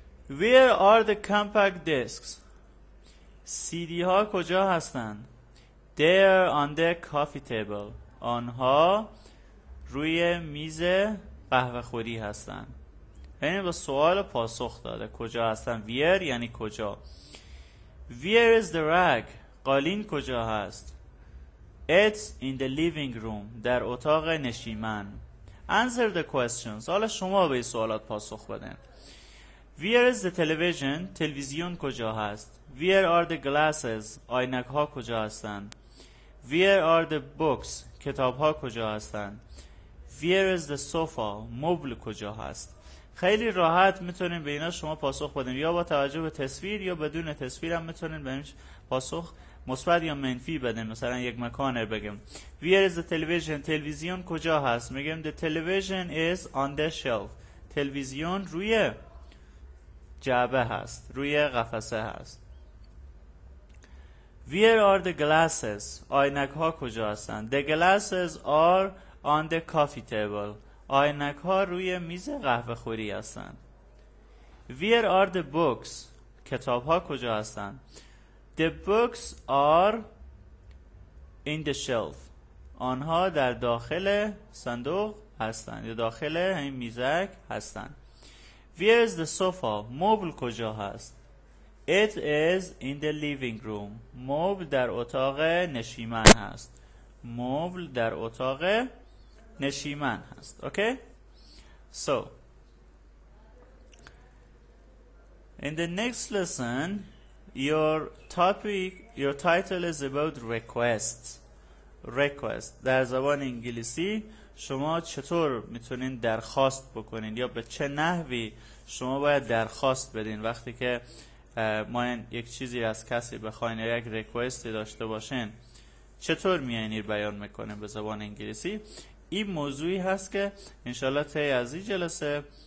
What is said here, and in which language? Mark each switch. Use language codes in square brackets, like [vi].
[en] where are the compact discs, [fa] سی دی ها کجا هستن؟ [en] They're on the coffee table. [fa] آنها روی میز قهوه خوری هستن. یعنی با سوال پاسخ داده کجا هستن. Where یعنی کجا. [en] Where is the rug؟ [fa] قالین کجا هست؟ [en] It's in the living room. [fa] در اتاق نشیمن. [en] Answer the questions. [fa] حالا شما به سوالات پاسخ بدن. [en] Where is the television؟ [fa] تلویزیون کجا هست؟ [en] Where are the glasses؟ [fa] آینک ها کجا هستند؟ [en] Where are the books؟ [fa] کتاب ها کجا هستند؟ [en] Where is the sofa؟ [fa] مبل کجا هست؟ خیلی راحت میتونیم به اینا شما پاسخ بدیم، یا با توجه به تصویر یا بدون تصویر هم میتونیم به اینش پاسخ مثبت یا منفی بدیم. مثلا یک مکان رو بگیم [en] Where is the television؟ [fa] تلویزیون کجا هست؟ میگیم [en] The television is on the shelf. [fa] تلویزیون روی جعبه هست، روی قفسه هست. [en] Where are the glasses؟ [fa] آینک ها کجا هستند؟ [en] The glasses are on the coffee table. [fa] آینک ها روی میز قهوه خوری هستند. [en] Where are the books؟ [fa] کتاب ها کجا هستند؟ [en] The books are in the shelf. [fa] آنها در داخل صندوق هستند، داخل این میزک هستند. [en] Where is the sofa؟ [fa] مبل کجا هست؟ [en] It is in the living room. [fa] مبل در اتاق نشیمن هست. مبل در اتاق نشیمن هست. Okay? [en] So, in the next lesson, your title is about requests. Request. [fa] در زبان انگلیسی شما چطور میتونین درخواست بکنین؟ یا به چه نحوی شما باید درخواست بدین وقتی که ما یک چیزی از کسی بخواین یا یک ریکوستی داشته باشین؟ چطور میانی بیان میکنه به زبان انگلیسی؟ این موضوعی هست که انشالله تی از این جلسه